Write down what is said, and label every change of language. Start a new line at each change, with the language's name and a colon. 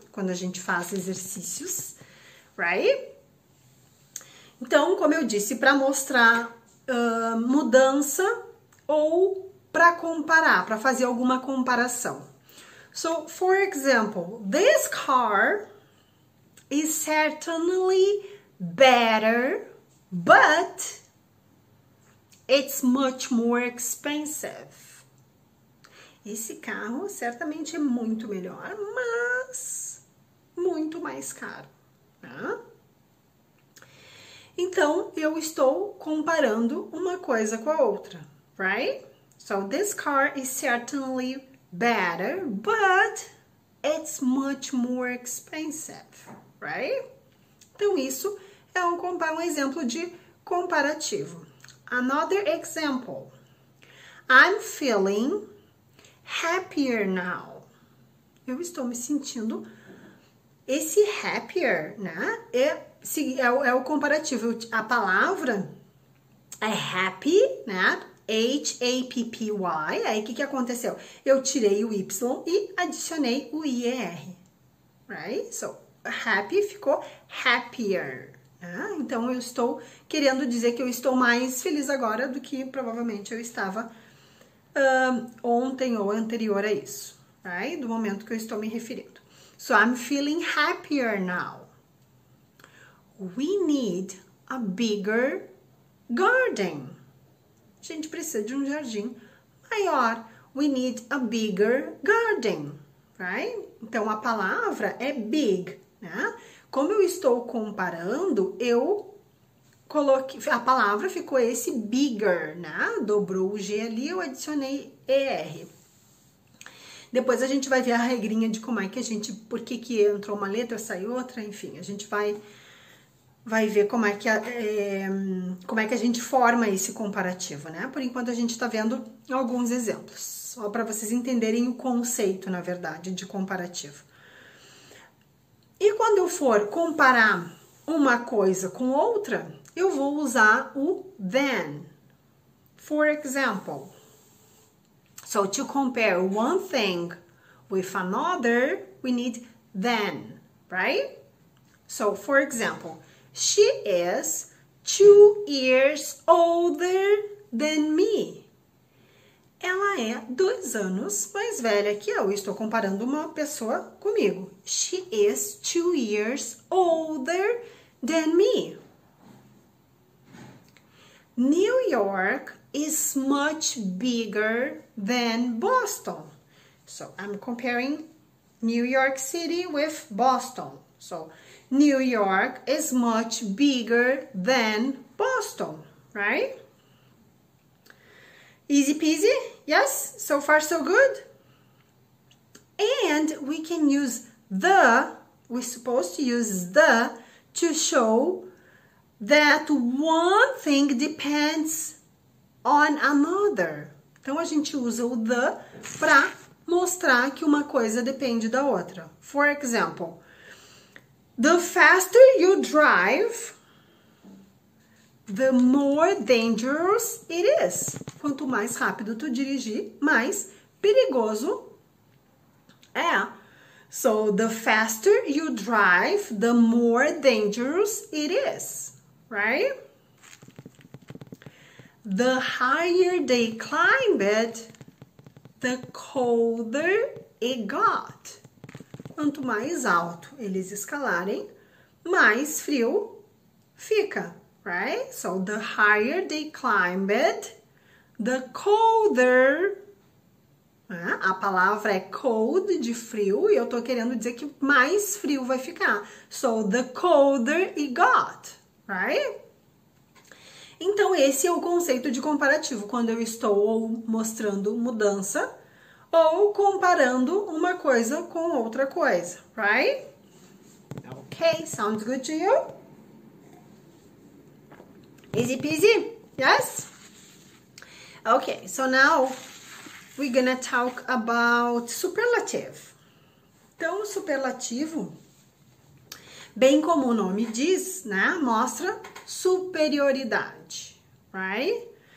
Portuguese: Quando a gente faz exercícios, right? Então, como eu disse, para mostrar mudança ou para comparar, para fazer alguma comparação.
English: So, for example, this car is certainly better, but it's much more expensive.
Portuguese: Esse carro certamente é muito melhor, mas muito mais caro, né? Então, eu estou comparando uma coisa com a outra, right?
English: So, this car is certainly better, but it's much more expensive, right?
Portuguese: Então, isso é um exemplo de comparativo.
English: Another example. I'm feeling happier now.
Portuguese: Eu estou me sentindo. Esse happier, né? É o comparativo. A palavra é happy, né? H-A-P-P-Y. Aí, o que aconteceu? Eu tirei o Y e adicionei o I-E-R. Right? So, happy ficou happier. Né? Então, eu estou querendo dizer que eu estou mais feliz agora do que provavelmente eu estava ontem ou anterior a isso, right? Do momento que eu estou me referindo.
English: So, I'm feeling happier now. We need a bigger garden.
Portuguese: A gente precisa de um jardim maior.
English: We need a bigger garden, right?
Portuguese: Então, a palavra é big, né? Como eu estou comparando, eu coloquei, a palavra ficou esse bigger, né? Dobrou o G ali, eu adicionei ER. Depois a gente vai ver a regrinha de como é que a gente, por que que entrou uma letra, saiu outra, enfim. A gente vai ver como é que a gente forma esse comparativo, né? Por enquanto a gente tá vendo alguns exemplos. Só para vocês entenderem o conceito, na verdade, de comparativo. E quando eu for comparar uma coisa com outra, eu vou usar o than.
English: For example, so to compare one thing with another, we need than, right? So, for example, she is 2 years older than me.
Portuguese: Ela é 2 anos mais velha que eu. Estou comparando uma pessoa comigo.
English: She is 2 years older than me. New York is much bigger than Boston. So, I'm comparing New York City with Boston. So, New York is much bigger than Boston, right? Easy peasy? Yes? So far, so good? And we can use the, we're supposed to use the to show that one thing depends on another.
Portuguese: Então, a gente usa o the para mostrar que uma coisa depende da outra.
English: For example, the faster you drive, the more dangerous it is.
Portuguese: Quanto mais rápido tu dirigir, mais perigoso é.
English: So, the faster you drive, the more dangerous it is, right? The higher they climb it, the colder it got.
Portuguese: Quanto mais alto eles escalarem, mais frio fica, right?
English: So, the higher they climb it, the colder, né?
Portuguese: A palavra é cold, de frio, e eu tô querendo dizer que mais frio vai ficar.
English: So, the colder it got, right?
Portuguese: Então, esse é o conceito de comparativo, quando eu estou mostrando mudança ou comparando uma coisa com outra coisa, right?
English: Okay, sounds good to you? Easy peasy, yes? Okay, so now we're gonna talk about superlative.
Portuguese: Então, o superlativo, bem como o nome diz, né, mostra superioridade, right?